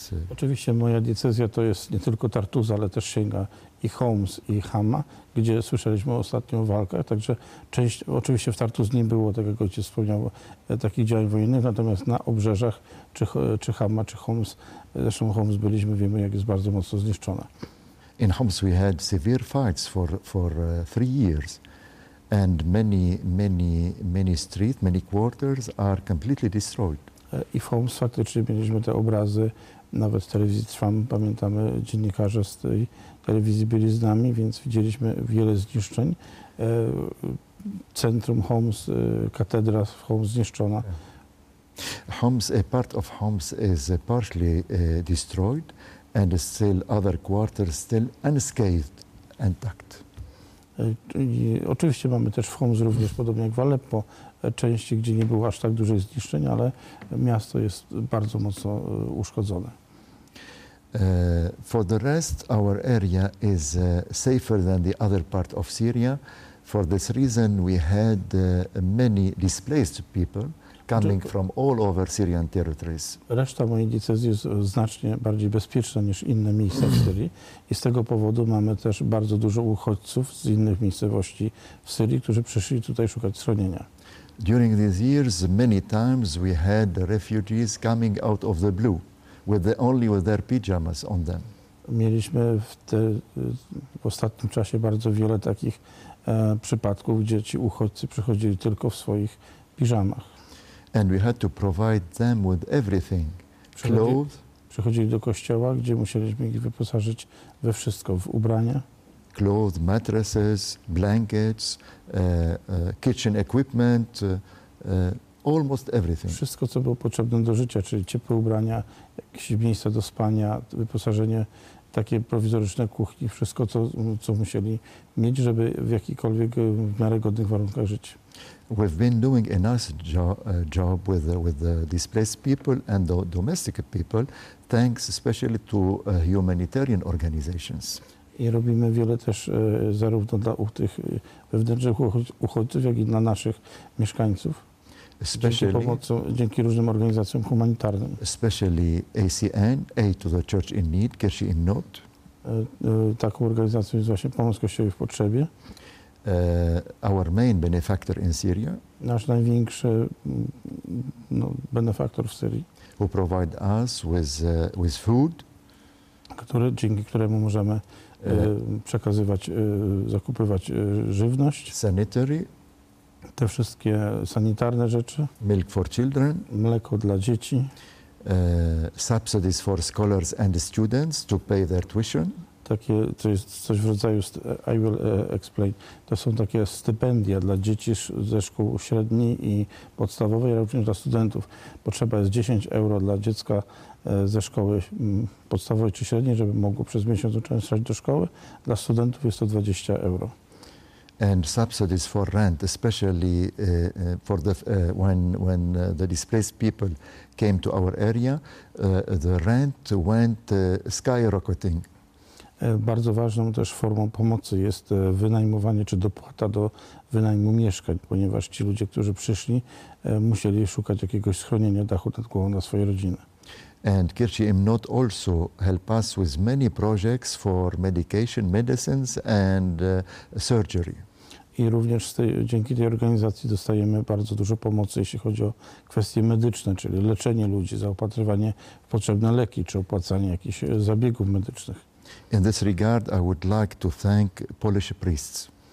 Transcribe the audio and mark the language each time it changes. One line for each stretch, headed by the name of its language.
Polish: Oczywiście moja diecezja to jest nie tylko Tartus, ale też sięga i Homs, i Hama, gdzie słyszeliśmy o ostatnią walkę. Także część, oczywiście w Tartus nie było, tak jak ojciec wspomniał, takich działań wojennych, natomiast na obrzeżach, czy Hama, czy Homs, zresztą Homs byliśmy, wiemy, jak jest bardzo mocno zniszczona.
English: In Homs we had severe fights for 3 years and many streets, many quarters are completely destroyed.
Polish: I w Homs faktycznie mieliśmy te obrazy, nawet w telewizji TRWAM, pamiętamy, dziennikarze z tej telewizji byli z nami, więc widzieliśmy wiele zniszczeń. Centrum Homs, katedra w Homs zniszczona.
English: Homs, a part of Homs is partially destroyed. And still other quarters still unscathed, intact.
Polish: I oczywiście mamy też w Homs również, podobnie jak w Aleppo, części, gdzie nie było aż tak dużych zniszczeń, ale miasto jest bardzo mocno uszkodzone.
English: For the rest, our area is safer than the other part of Syria. For this reason, we had many displaced people coming from all over Syrian territories.
Polish: Reszta mojej diecezji jest znacznie bardziej bezpieczna niż inne miejsca w Syrii. I z tego powodu mamy też bardzo dużo uchodźców z innych miejscowości w Syrii, którzy przyszli tutaj szukać schronienia.
English: During these years, many times we had refugees coming out of the blue, with their pyjamas on them.
Polish: Mieliśmy w ostatnim czasie bardzo wiele takich przypadków, gdzie ci uchodźcy przychodzili tylko w swoich piżamach.
English: And we had to provide them with everything. Clothes.
Polish: Przychodzili do kościoła, gdzie musieliśmy ich wyposażyć we wszystko, w ubrania.
English: Clothes, mattresses, blankets, kitchen equipment, almost everything.
Polish: Wszystko, co było potrzebne do życia, czyli ciepłe ubrania, jakieś miejsca do spania, wyposażenie, takie prowizoryczne kuchni, wszystko, co musieli mieć, żeby w jakikolwiek w miarę godnych warunkach żyć.
English: We've been doing a nice job with the displaced people and the domestic people, thanks especially to humanitarian organizations.
Polish: I robimy wiele też zarówno dla tych wewnętrznych uchodźców, jak i dla naszych mieszkańców.
English: Especially,
Polish: dzięki różnym organizacjom humanitarnym.
English: Especially ACN, Aid to the Church in Need, Kirche in Not.
Polish: Taką organizacją jest właśnie Pomoc Kościołowi w Potrzebie.
English: Our main benefactor in Syria.
Polish: Nasz największy benefaktor w Syrii.
English: Who provide us with food.
Polish: Dzięki któremu możemy przekazywać, zakupywać żywność.
English: Sanitary.
Polish: Te wszystkie sanitarne rzeczy.
English: Milk for children.
Polish: Mleko dla dzieci.
English: Subsidies for scholars and students to pay their tuition.
Polish: Takie, to jest coś w rodzaju,
English: I will explain,
Polish: to są takie stypendia dla dzieci ze szkół średniej i podstawowej, również dla studentów. Potrzeba jest 10 euro dla dziecka ze szkoły podstawowej czy średniej, żeby mogło przez miesiąc uczęszczać do szkoły. Dla studentów jest to 20 euro.
English: And subsidies for rent, especially for the when the displaced people came to our area, the rent went skyrocketing.
Polish: Bardzo ważną też formą pomocy jest wynajmowanie czy dopłata do wynajmu mieszkań, ponieważ ci ludzie, którzy przyszli, musieli szukać jakiegoś schronienia, dachu nad głową dla swojej rodziny.
English: And Kirchi Imnot also help us with many projects for medication, medicines and surgery.
Polish: I również dzięki tej organizacji dostajemy bardzo dużo pomocy, jeśli chodzi o kwestie medyczne, czyli leczenie ludzi, zaopatrywanie w potrzebne leki czy opłacanie jakichś zabiegów medycznych.
English: In this regard, I would like to thank Polish priests.